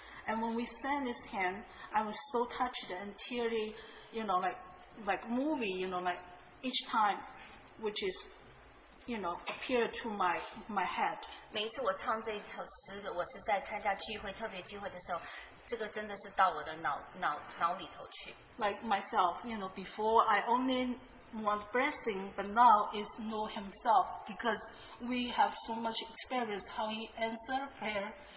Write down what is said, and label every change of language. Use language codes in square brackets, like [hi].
[en] And when we sang this hymn, I was so touched and teary, you know, like movie, you know, like each time, which is, you know, appeared to my head. [zh] 每一次我唱这一首诗，我是在参加聚会，特别聚会的时候，这个真的是到我的脑里头去。Like [en] myself, you know, before I only want blessing, but now is know himself because we have so much experience how he answered prayer.